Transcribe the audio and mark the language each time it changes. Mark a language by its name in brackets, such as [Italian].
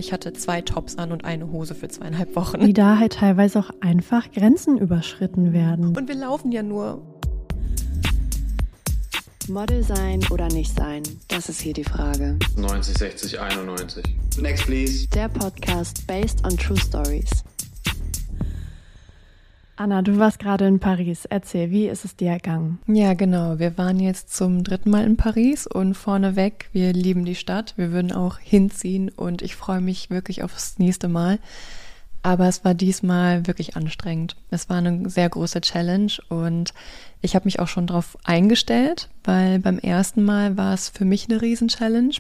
[German] Ich hatte zwei Tops an und eine Hose für 2,5 Wochen. Wie da halt teilweise auch einfach Grenzen überschritten werden. Und wir laufen ja nur. Model sein oder nicht sein, das ist hier die Frage. 90, 60, 91. [English] Next, please. [German] Der [English] Podcast based on true stories. [German] Anna, du warst gerade in Paris. Erzähl, wie ist es dir ergangen? Ja, genau. Wir waren jetzt zum dritten Mal in Paris und vorneweg, wir lieben die Stadt. Wir würden auch hinziehen und ich freue mich wirklich aufs nächste Mal. Aber es war diesmal wirklich anstrengend. Es war eine sehr große Challenge und ich habe mich auch schon darauf eingestellt, weil beim ersten Mal war es für mich eine Riesen-Challenge.